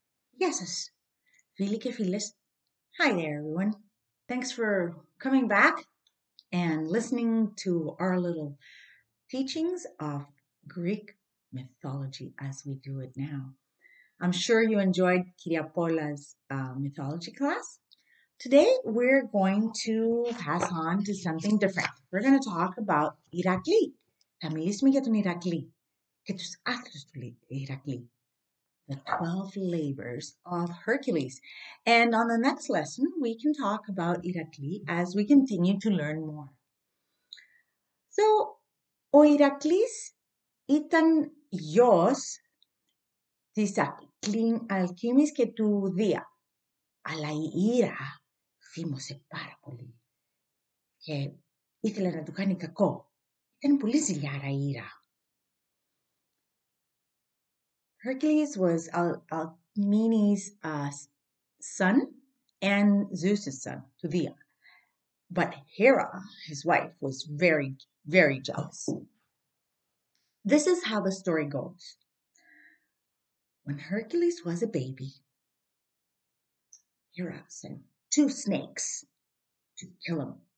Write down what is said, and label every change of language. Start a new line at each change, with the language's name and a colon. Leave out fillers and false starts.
Greek: Γεια σας, φίλοι και φίλες.
English: Hi there, everyone. Thanks for coming back and listening to our little teachings of Greek mythology as we do it now. I'm sure you enjoyed Kiria Paula's mythology class. Today, we're going to pass on to something different. We're going to talk about Ηρακλή.
Greek: Θα μιλήσουμε για τον Ηρακλή και τους άθρους του Ηρακλή.
English: The 12 labors of Hercules. And on the next lesson, we can talk about Ηρακλή as we continue to learn more.
Greek: So, ο Ηρακλής ήταν γιος της Αλκίμης και του Δία. Αλλά η Ήρα θύμωσε πάρα πολύ και ήθελε να του κάνει κακό. Ήταν πολύ ζηλιάρα η Ήρα.
English: Hercules was Alcmene's son and Zeus's son, Thuvia. But Hera, his wife, was very, very jealous. This is how the story goes. When Hercules was a baby, Hera sent two snakes to kill him.